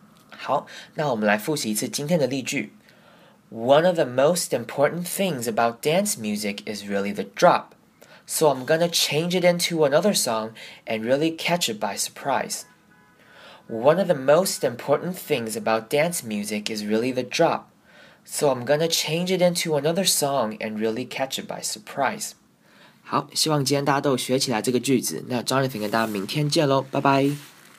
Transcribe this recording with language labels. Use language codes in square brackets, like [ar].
[zh] 好，那我们来复习一次今天的例句。 [en] One of the most important things about dance music is really the drop. So I'm gonna change it into another song and really catch it by surprise. One of the most important things about dance music is really the drop. So I'm gonna change it into another song and really catch it by surprise. [zh] 好，希望今天大家都有学起来这个句子。那 Jonathan 跟大家明天见咯，拜拜。